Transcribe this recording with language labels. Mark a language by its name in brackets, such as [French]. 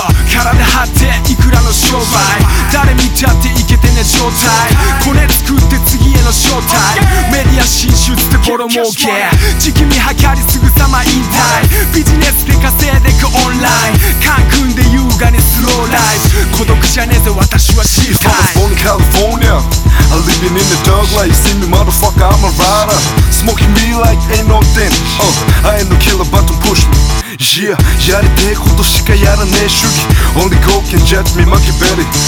[Japanese] 体張っていくらの商売、誰見ちゃっていけてね状態、コネ作って次への正体、メディア進出ってボロ儲け、時期見計りすぐさま引退、ビジネスで稼いでくオンライン、カンクンで優雅にスローライフ、孤独じゃねえぞ私は知りたい。 [English] California, I'm living in the dark light. See me, motherfucker, I'm a rider. Smoking me like ain't no thing. I ain't no killer, but don't push me. [Japanese] Yeah, やりてえことしかやらねえ主義。 [English] Only God can judge me, monkey belly.